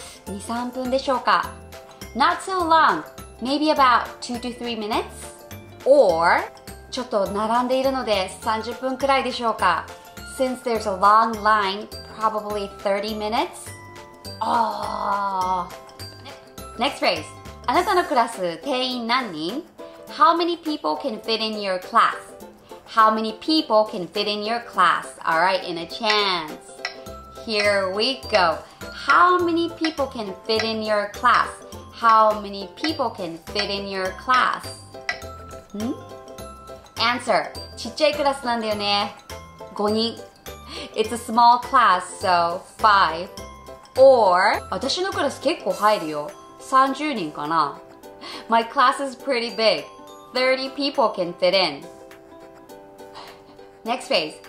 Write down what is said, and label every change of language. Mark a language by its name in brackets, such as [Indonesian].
[Japanese] 2、3分でしょうか? [English] Not so long. Maybe about 2 to 3 minutes. Or, [Japanese] ちょっと並んでいるので30分くらいでしょうか? [English] Since there's a long line, probably 30 minutes. Oh! Next phrase. [Japanese] あなたのクラス定員何人? [English] How many people can fit in your class? How many people can fit in your class? Alright, in a chance. Here we go. How many people can fit in your class? How many people can fit in your class? Answer. [Japanese] ちっちゃいクラスなんだよね。 5人。 [English] It's a small class, so 5. Or, [Japanese] 私のクラス結構入るよ。 30人かな。 [English] My class is pretty big. 30 people can fit in. Next phrase.